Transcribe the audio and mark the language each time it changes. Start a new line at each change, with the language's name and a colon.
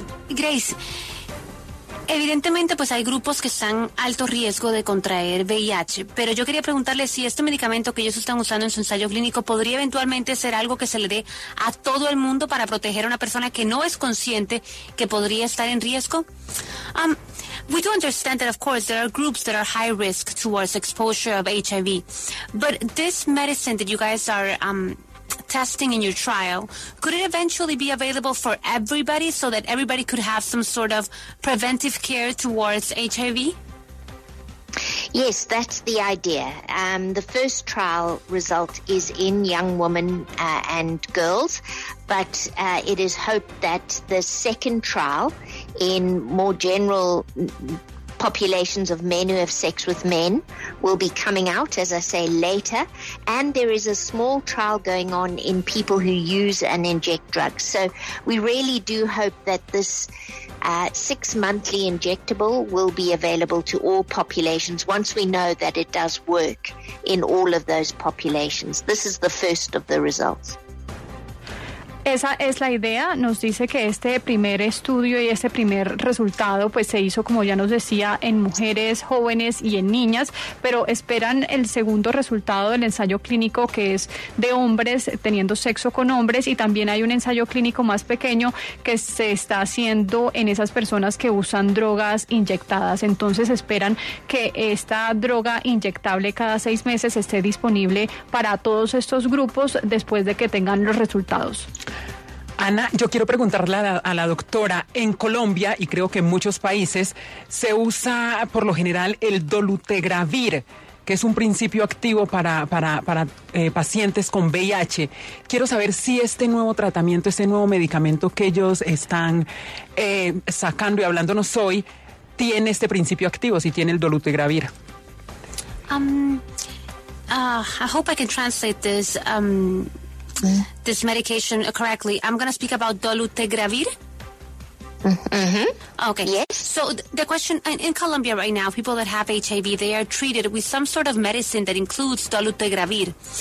Spanish: Grace, evidentemente pues hay grupos que están alto riesgo de contraer VIH, pero yo quería preguntarle si este medicamento que ellos están usando en su ensayo clínico podría eventualmente ser algo que se le dé a todo el mundo para proteger a una persona que no es consciente que podría estar en riesgo.
English: We do understand that, of course, there are groups that are high risk towards exposure of HIV, but this medicine that you guys are testing in your trial, could it eventually be available for everybody so that everybody could have some sort of preventive care towards HIV? Yes, that's the idea. The first trial result is in young women and girls, but it is hoped that the second trial in more general populations of men who have sex with men will be coming out, as I say, later. And there is a small trial going on in people who use and inject drugs. So we really do hope that this 6-monthly injectable will be available to all populations once we know that it does work in all of those populations. This is the first of the results.
Spanish: Esa es la idea. Nos dice que este primer estudio y este primer resultado pues se hizo, como ya nos decía, en mujeres jóvenes y en niñas, pero esperan el segundo resultado del ensayo clínico, que es de hombres teniendo sexo con hombres, y también hay un ensayo clínico más pequeño que se está haciendo en esas personas que usan drogas inyectadas. Entonces esperan que esta droga inyectable cada 6 meses esté disponible para todos estos grupos después de que tengan los resultados. Ana, yo quiero preguntarle a la doctora, en Colombia y creo que en muchos países se usa por lo general el dolutegravir, que es un principio activo para pacientes con VIH. Quiero saber si este nuevo tratamiento, este nuevo medicamento que ellos están sacando y hablándonos hoy, tiene este principio activo, si tiene el dolutegravir.
English: I hope I can translate this. This medication correctly. I'm going to speak about dolutegravir. Mm-hmm. Okay. Yes. So the question in Colombia right now, people that have HIV, they are treated with some sort of medicine that includes dolutegravir.